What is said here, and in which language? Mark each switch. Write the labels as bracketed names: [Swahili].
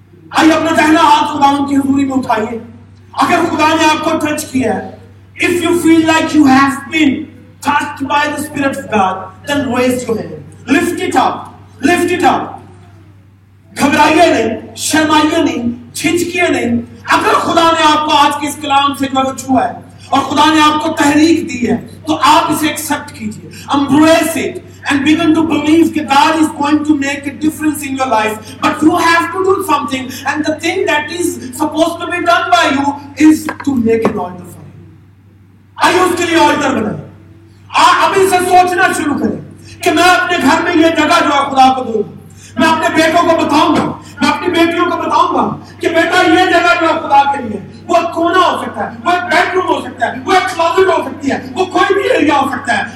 [Urdu] آئیے اپنا دہنا ہاتھ خدا کی حضوری میں اٹھائیے. اگر خدا نے آپ کو ٹچ کیا ہے, [English] If you feel like you have been touched by the spirit of God, then raise your hand, lift it up, lift it up. [Urdu] گھبرائیے نہیں, شرمائیے نہیں, جھجکیے نہیں. اگر خدا نے آپ کو آج کے اس کلام سے جو ہے چھوا ہے اور خدا نے آپ کو تحریک دی ہے تو آپ اسے ایکسپٹ کیجیے. [English] Embrace it and begin to believe that God is going to make a difference in your life. But you have to do something and the thing that is supposed to be done by you is to make an altar for him. [Urdu] آئیے اس کے لیے alter بنائیں. ابھی سے سوچنا شروع کریں کہ میں اپنے گھر میں یہ جگہ جو ہے خدا کو دوں, میں اپنے بیٹوں کو بتاؤں گا, میں اپنی بیٹیوں کو بتاؤں گا کہ بیٹا یہ جگہ جو خدا کے لیے, وہ کونا ہو سکتا ہے, وہ ایک بیڈ روم ہو سکتا ہے, وہ ایک کلوزٹ ہو سکتی ہے, وہ کوئی بھی ایریا ہو سکتا ہے.